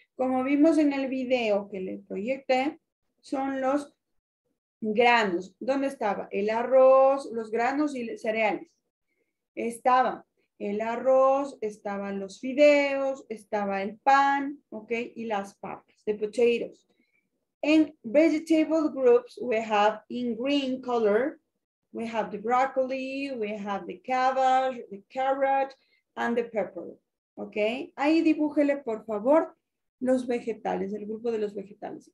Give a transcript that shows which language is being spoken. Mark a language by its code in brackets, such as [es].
[es] Como vimos en el video que le proyecté, son los granos. ¿Dónde estaba? El arroz, los granos y los cereales. Estaba el arroz, estaban los fideos, estaba el pan, ¿ok? Y las papas, [en] the potatoes. En vegetable groups, we have in green color, we have the broccoli, we have the cabbage, the carrot, and the pepper, ¿ok? [es] Ahí dibújele, por favor, los vegetales, el grupo de los vegetales.